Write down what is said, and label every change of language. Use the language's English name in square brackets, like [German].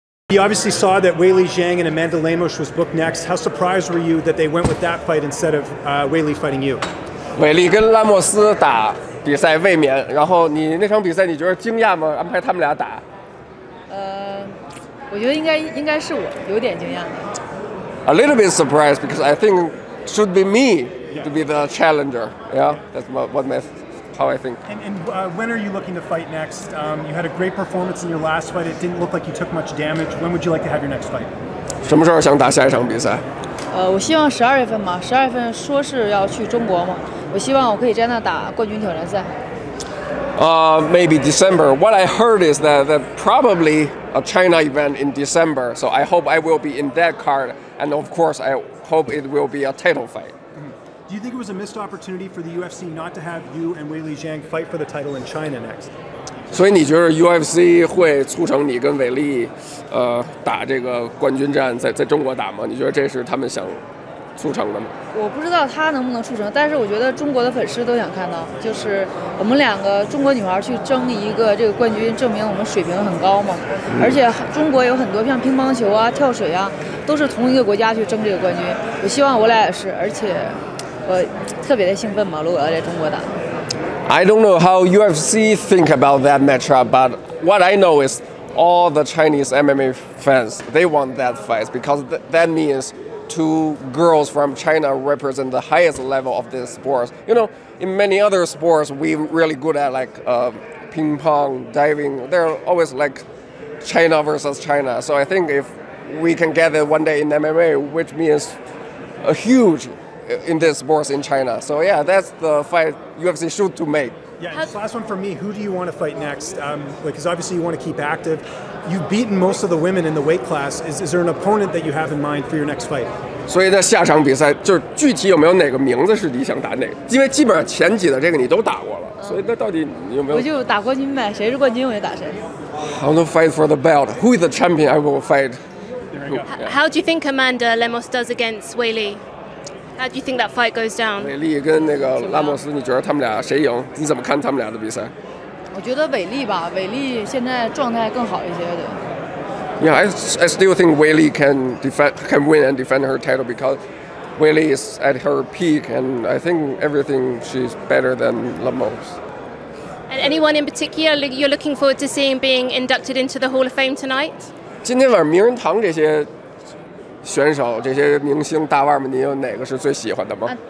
[English] You obviously saw that Weili Zhang and Amanda Lemos was booked next. How surprised were you that they went with that fight instead of Weili fighting you? [Chinese] Weili 跟拉莫斯打比赛卫冕，然后你那场比赛你觉得惊讶吗？安排他们俩打？我觉得应该是我有点惊讶的。 [English] A little bit surprised because I think it should be me to be the challenger. Yeah, that's what my how I think. And when are you looking to fight next? You had a great performance in your last fight. It didn't look like you took much damage. When would you like to have your next fight? [Chinese] 什么时候想打下一场比赛？我希望12月份嘛，12月份说是要去中国嘛，我希望我可以在那打冠军挑战赛。 [English] Maybe December. What I heard is that probably a China event in December. So I hope I will be in that card. And of course, I hope it will be a title fight. Do you think it was a missed opportunity for the UFC not to have you and Weili Zhang fight for the title in China next? [Chinese] 所以你觉得 UFC 会促成你跟韦利，打这个冠军战在中国打吗？你觉得这是他们想促成的吗？我不知道他能不能促成，但是我觉得中国的粉丝都想看到，就是我们两个中国女孩去争一个这个冠军，证明我们水平很高嘛。而且中国有很多像乒乓球啊、跳水啊，都是同一个国家去争这个冠军。我希望我俩也是，而且我特别的兴奋嘛，如果要在中国打。 [English] I don't know how UFC think about that matchup, but what I know is all the Chinese MMA fans, they want that fight because that means two girls from China represent the highest level of this sport. You know, in many other sports, we're really good at like ping pong, diving. They're always like China versus China. So I think if we can get it one day in MMA, which means a huge in this sport in China. So yeah, that's the fight UFC should to make. Yeah, and last one for me, who do you want to fight next? Because obviously you want to keep active. You've beaten most of the women in the weight class. Is there an opponent that you have in mind for your next fight? [Chinese] 所以在下场比赛，就是具体有没有哪个名字是你想打哪个？因为基本上前几的这个你都打过了，所以那到底你有没有？我就打冠军呗，谁是冠军我就打谁。 [English] I want to fight for the belt. Who is the champion? I will fight. How do you think Amanda Lemos does against Weili? How do you think that fight goes down? [Chinese] 韦利跟那个拉莫斯，你觉得他们俩谁赢？你怎么看他们俩的比赛？我觉得韦利吧，韦利现在状态更好一些的。 [English] Yeah, I still think Weili can win and defend her title because Weili is at her peak and I think everything she's better than Lemos. And anyone in particular you're looking forward to seeing being inducted into the Hall of Fame tonight? [Chinese] 今天晚上名人堂这些选手、这些明星大腕们，你有哪个是最喜欢的吗？